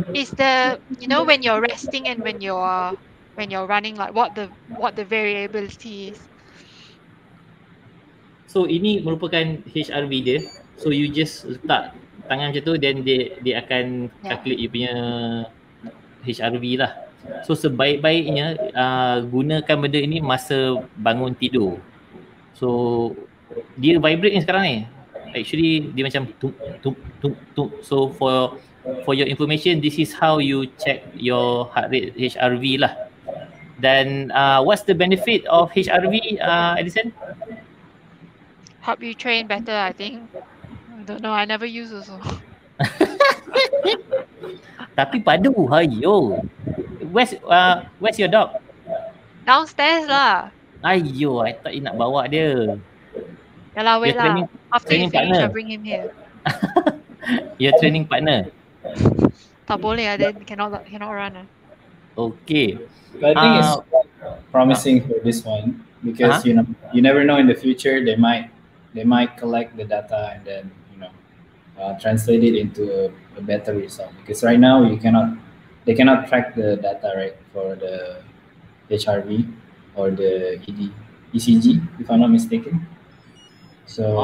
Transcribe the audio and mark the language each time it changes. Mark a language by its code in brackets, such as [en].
[en] Is the, you know, when you're resting and when you're running, like what the variability is. [ms] So ini merupakan HRV dia. [en] So you just [ms] letak tangan macam tu, then dia akan [en] calculate you [ms] punya HRV lah. So sebaik-baiknya gunakan benda ini masa bangun tidur. So dia vibrate ni sekarang ni. [en] Actually [ms] dia macam tuk tuk tuk tuk. [en] So for your information, this is how you check your heart rate, HRV lah. Dan what's the benefit of HRV, Edison? Help you train better, I think. I don't know, I never use also. [ms] Tapi padu, [en] ayo. Where's your dog? Downstairs lah. Ayo, I thought you [ms] nak bawa dia. [en] Yalah, wait lah. After you finish, I'll bring him here. Your training partner. [ms] Tak boleh lah, [en] then cannot run [ms] lah. [en] Okay. But I think it's promising for this one. Because you know, you never know in the future, they might collect the data and then, you know, translate it into a better result. Because right now they cannot track the data, right, for the HRV or the ECG, if I'm not mistaken. So